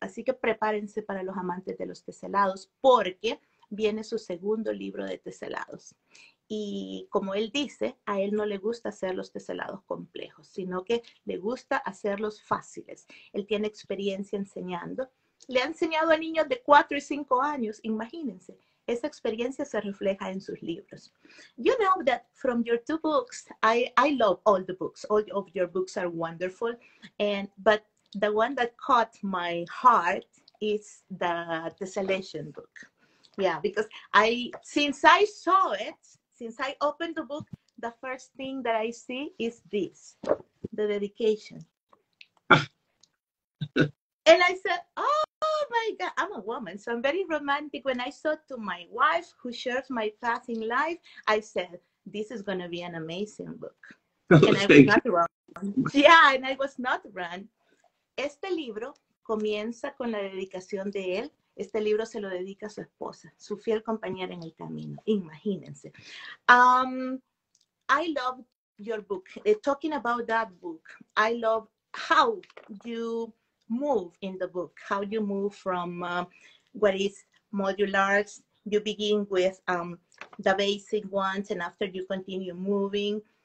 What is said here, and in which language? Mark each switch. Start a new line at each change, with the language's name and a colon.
Spanish: Así que prepárense para los amantes de los teselados porque viene su segundo libro de teselados. Y como él dice, a él no le gusta hacer los teselados complejos, sino que le gusta hacerlos fáciles. Él tiene experiencia enseñando. Le ha enseñado a niños de 4 y 5 años, imagínense. Esa experiencia se refleja en sus libros.
English: You know that from your 2 books, I love all the books. All of your books are wonderful. But the one that caught my heart is the Tesselation book. Yeah, because since I opened the book, the first thing that I see is this, the dedication. And I said, oh my God, I'm a woman, so I'm very romantic. When I saw to my wife who shares my path in life, I said, this is going to be an amazing book. And I was not wrong.
Spanish: Este libro comienza con la dedicación de él. Este libro se lo dedica a su esposa, su fiel compañera en el camino. Imagínense.
English: I love your book. Talking about that book, I love how you move in the book, how you move from what is modular. You begin with the basic ones and after you continue moving.